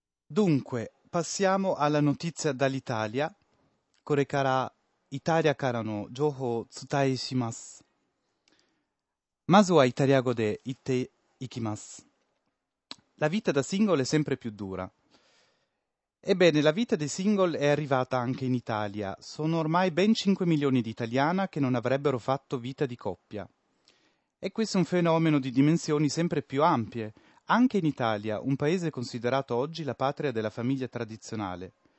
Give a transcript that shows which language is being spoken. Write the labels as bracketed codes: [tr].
[it] Dunque, passiamo alla notizia dall'Italia. [ja] これからイタリアからの情報を伝えします。まずはイタリア語で言っていきます。 [it] La vita da single è sempre più dura. Ebbene, la vita dei single è arrivata anche in Italia. Sono ormai ben 5 milioni di italiani che non avrebbero fatto vita di coppia. E questo è un fenomeno di dimensioni sempre più ampie, anche in Italia, un paese considerato oggi la patria della famiglia tradizionale.